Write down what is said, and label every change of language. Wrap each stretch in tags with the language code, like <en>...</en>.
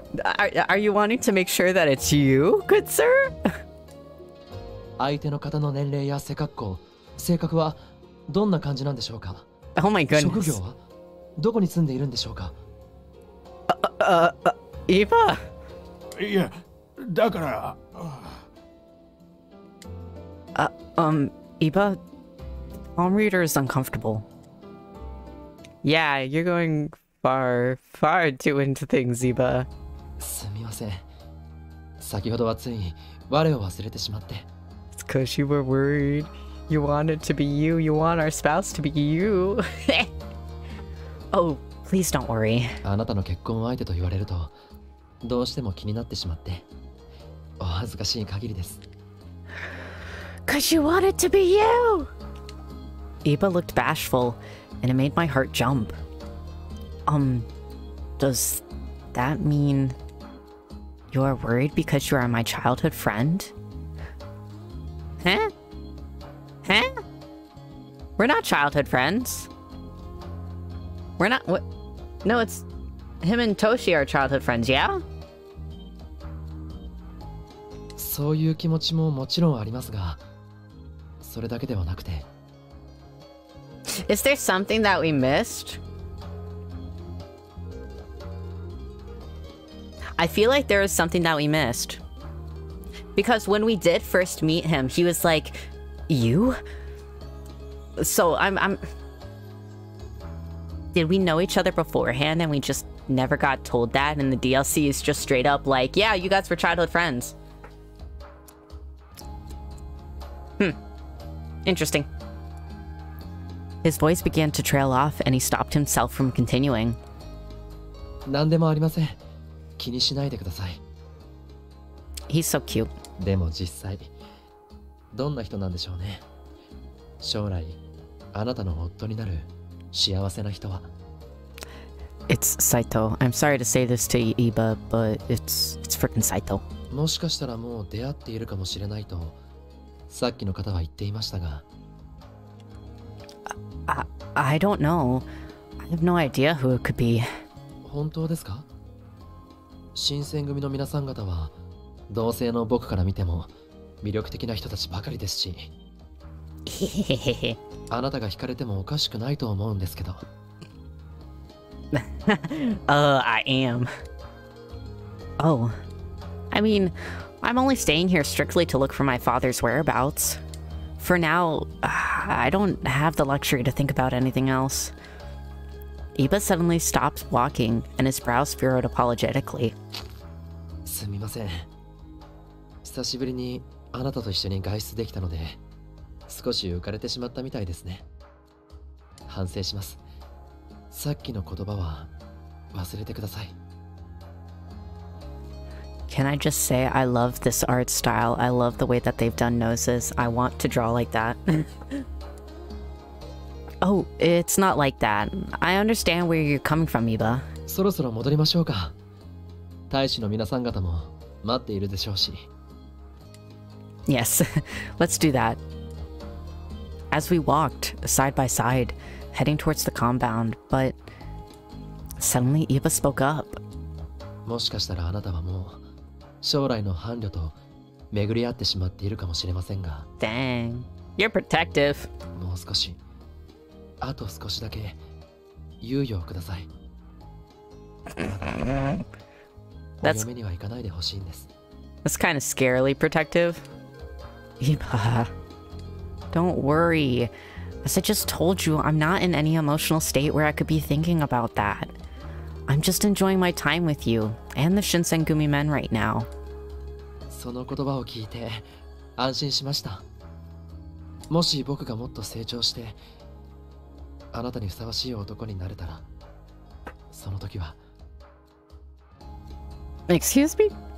<en>Are you wanting to make sure that it's you, good sir?</en> <ja>相手の方の年齢や性格はどんな感じなんでしょうか?</ja> <en>Oh my goodness.</en> <ja>職業は? どこに住んでいるんでしょうか?</ja> <en>Iba?</en> <ja>いや、だから…</ja> <en>Iba? Palm reader is uncomfortable. Yeah, you're going far, far too into things, Iba.</en> <ja>すみません。先ほどはつい我を忘れてしまって。</ja> <en>It's because you were worried. You want it to be you. You want our spouse to be you. Oh, please don't worry.</en> <ja>あなたの結婚相手と言われると、どうしても気になってしまって、お恥ずかしい限りです。</ja> <en>Cause you want it to be you! Iba looked bashful, and it made my heart jump. Does that mean you are worried because you are my childhood friend? Huh? Huh? We're not childhood friends. We're not- what? No, it's... him and Toshi are childhood friends, yeah?</en> <ja>そういう気持ちももちろんありますが、それだけではなくて。</ja> <en>Is there something that we missed? I feel like there is something that we missed. Because when we did first meet him, he was like, you? So I'm... Did we know each other beforehand and we just never got told that? And the DLC is just straight up like, yeah, you guys were childhood friends. Interesting. His voice began to trail off and he stopped himself from continuing.</en> <ja>何でもありません。気にしないでください。</ja> <en>He's so cute.</en> <ja>でも実際、どんな人なんでしょうね。将来、あなたの夫になる幸せな人は。</ja> <en>It's Saito. I'm sorry to say this to Iba, but it's freaking Saito.</en> <ja>もしかしたらもう出会っているかもしれないと、さっきの方は言っていましたが。</ja> <en>I don't know. I have no idea who it could be.</en> <ja>本当ですか？新選組の皆さん方は同性の僕から見ても魅力的な人たちばかりですし。あなたが惹かれてもおかしくないと思うんですけど。</ja> <en>I am. Oh. I mean, I'm only staying here strictly to look for my father's whereabouts. For now, I don't have the luxury to think about anything else. Iba suddenly stopped walking and his brows furrowed apologetically.</en> <ja>すみません。久しぶりにあなたと一緒に外出できたので、少し浮かれてしまったみたいですね。反省します。さっきの言葉は忘れてください。</ja> <en>Can I just say I love this art style? I love the way that they've done noses. I want to draw like that. Oh, it's not like that. I understand where you're coming from, Iba.</en> <ja>そろそろ戻りましょうか。大使の皆さん方も待っているでしょうし。</ja> <en>Yes, let's do that. As we walked side by side, heading towards the compound, but suddenly Iba spoke up.</en> <ja>もしかしたらあなたはもう将来の伴侶と巡り合ってしまっているかもしれませんが。</ja> <en>Dang, you're protective.</en> <ja>もう少し、あと少しだけ猶予をください。</ja> <en>That's</en> <ja>お嫁には行かないでほしいんです。</ja> <en>That's kind of scarily protective. Iba, don't worry. As I just told you, I'm not in any emotional state where I could be thinking about that. I'm just enjoying my time with you and the Shinsengumi men right now.</en> <ja>その言葉を聞いて安心しました。もし僕がもっと成長してあなたにふさわしい男になれたら、その時は。</ja> <en>Excuse me?</en>